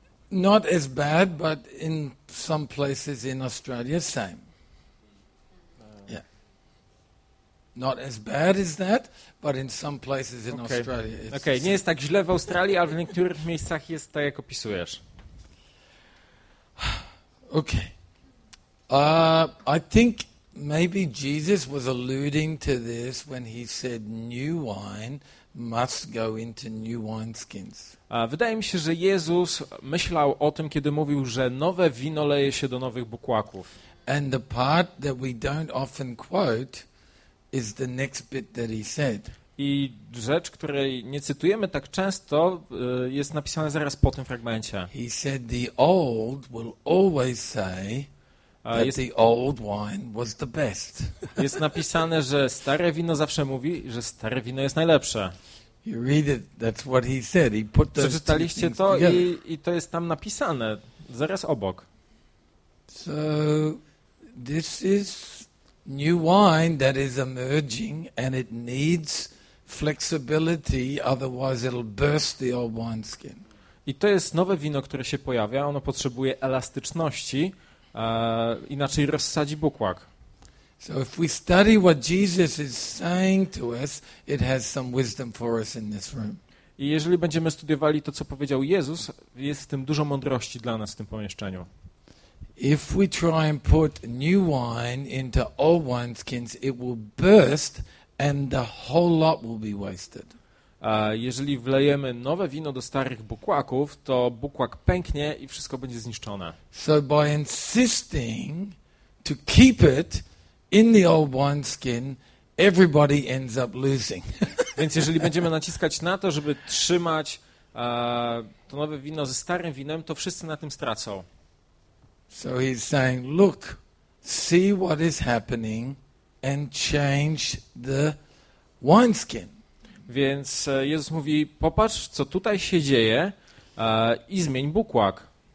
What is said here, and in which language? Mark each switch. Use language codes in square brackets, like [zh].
[en] Not as bad, but in some places in Australia, same. Yeah. Not as bad as that, but in some places in Australia. Okay. [pl] Nie jest tak źle w Australii, ale w niektórych miejscach jest tak, jak opisujesz. [en] Okay. I think maybe Jesus was alluding to this when he said new wine must go into new wineskins. [pl] Wydaje mi się, że Jezus myślał o tym, kiedy mówił, że nowe wino leje się do nowych bukłaków. [en] And the part that we don't often quote is the next bit that he said. [pl] I rzecz, której nie cytujemy tak często, jest napisana zaraz po tym fragmencie. [en] He said the old will always say that the old wine was the best. [pl] Jest napisane, że stare wino zawsze mówi, że stare wino jest najlepsze. [en] You read it, that's what he said. He put those [pl] Przeczytaliście to i to jest tam napisane, zaraz obok. [en] So this is new wine that is emerging and it needs flexibility, otherwise it'll burst the old wineskin. [pl] I to jest nowe wino, które się pojawia. Ono potrzebuje elastyczności, inaczej rozsadzi bukłak. [en] So if we study what Jesus is saying to us, it has some wisdom for us in this room. [pl] I jeżeli będziemy studiowali to, co powiedział Jezus, jest w tym dużo mądrości dla nas w tym pomieszczeniu. [en] If we try and put new wine into old wineskins, it will burst and the whole lot will be wasted. [pl] A jeżeli wlejemy nowe wino do starych bukłaków, to bukłak pęknie i wszystko będzie zniszczone. [en] So by insisting to keep it in the old wineskin, everybody ends up losing. [pl] Więc jeżeli będziemy naciskać na to, żeby trzymać to nowe wino ze starym winem, to wszyscy na tym stracą. [en] So he's saying, look, see what is happening and change the wineskin. [pl] Więc Jezus mówi, popatrz, co tutaj się dzieje i zmień bukłak.